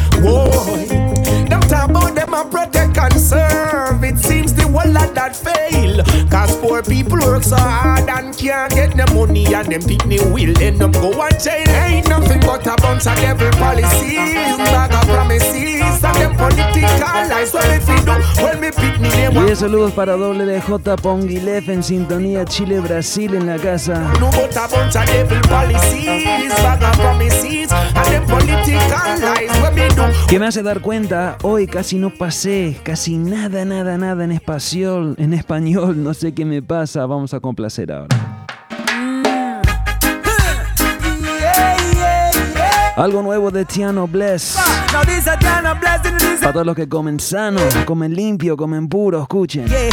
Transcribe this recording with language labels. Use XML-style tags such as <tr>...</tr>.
<en>Whoa, them talk about them a protect and serve. It seems the world of that fail, cause poor people work so hard and can't get the money, and them think they will end up go and jail. Ain't nothing but a bunch of devil policies, bag of promises and them political lies. Well, if you do, well, me pick me name.</en> <es>Y saludos para WDJ Ponguilef en sintonía Chile Brasil en la casa.</es> <en>But a bunch of devil policies, bag of promises, and them political lies. What me do?</en> <es>Que me hace dar cuenta, hoy casi no pasé, casi nada, nada, nada en español, no sé qué me pasa, vamos a complacer ahora. Algo nuevo de Tiano Bless. Para todos los que comen sano, comen limpio, comen puro, escuchen.</es>